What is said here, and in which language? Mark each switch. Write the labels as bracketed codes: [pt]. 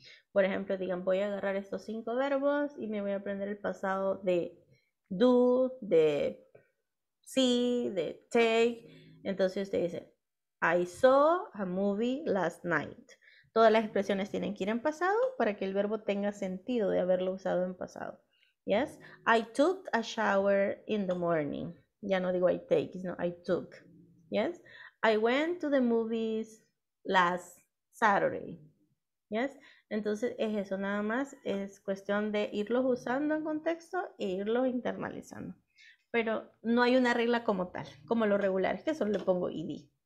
[es] Por ejemplo, digan, voy a agarrar estos 5 verbos y me voy a aprender el pasado de do, de see, de take. Entonces usted dice, [en] I saw a movie last night. [es] Todas las expresiones tienen que ir en pasado para que el verbo tenga sentido de haberlo usado en pasado. [en] Yes, I took a shower in the morning. [es] Ya no digo [en] I take, no, I took. Yes, I went to the movies last Saturday. [es] Yes, entonces es eso nada más. Es cuestión de irlos usando en contexto e irlos internalizando. Pero no hay una regla como tal, como lo regular, es que solo le pongo ed.